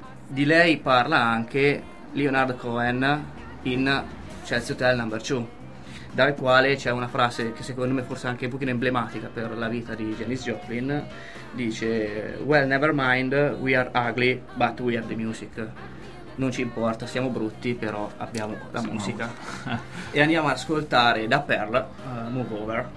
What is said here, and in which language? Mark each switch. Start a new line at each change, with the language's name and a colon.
Italian: Di lei parla anche Leonard Cohen in Chelsea Hotel Number 2, dal quale c'è una frase che secondo me forse è anche un pochino emblematica per la vita di Janis Joplin. Dice:
English: "Well, never mind, we are ugly, but we are the music."
Italian: Non ci importa, siamo brutti, però abbiamo la musica. E andiamo ad ascoltare da Pearl, Move Over.